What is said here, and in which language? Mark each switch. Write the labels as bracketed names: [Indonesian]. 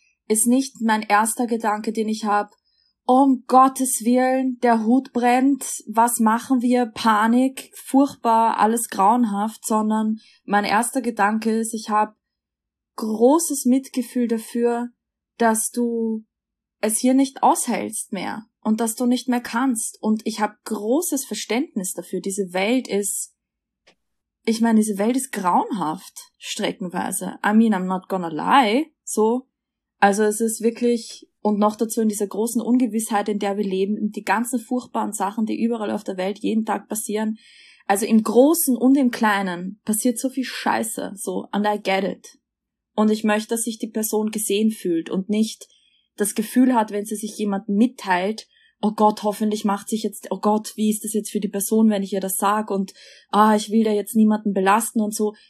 [German] ist nicht mein erster Gedanke, den ich habe, um Gottes Willen, der Hut brennt, was machen wir, Panik, furchtbar, alles grauenhaft, sondern mein erster Gedanke ist, ich habe großes Mitgefühl dafür, dass du es hier nicht aushältst mehr und dass du nicht mehr kannst. Und ich habe großes Verständnis dafür, diese Welt ist grauenhaft, streckenweise. [English] I mean, I'm not gonna lie, so. [German] Also es ist wirklich, und noch dazu in dieser großen Ungewissheit, in der wir leben, die ganzen furchtbaren Sachen, die überall auf der Welt jeden Tag passieren. Also im Großen und im Kleinen passiert so viel Scheiße, so, [English] and I get it. [German] Und ich möchte, dass sich die Person gesehen fühlt und nicht das Gefühl hat, wenn sie sich jemandem mitteilt, oh Gott, hoffentlich macht sich jetzt, oh Gott, wie ist das jetzt für die Person, wenn ich ihr das sag und, ah, ich will da jetzt niemanden belasten und so.